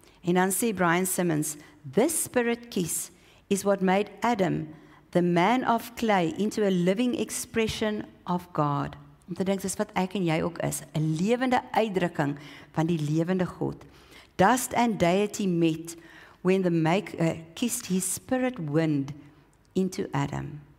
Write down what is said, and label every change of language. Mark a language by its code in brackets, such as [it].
[af] En dan sê [en] Brian Simmons, this spirit kiss is what made Adam, the man of clay, into a living expression of God. [af] Om te denk, dis wat ek en jy ook is, 'n levende uitdrukking van die levende God. [en] Dust and deity met when the maker kissed his spirit wind into Adam.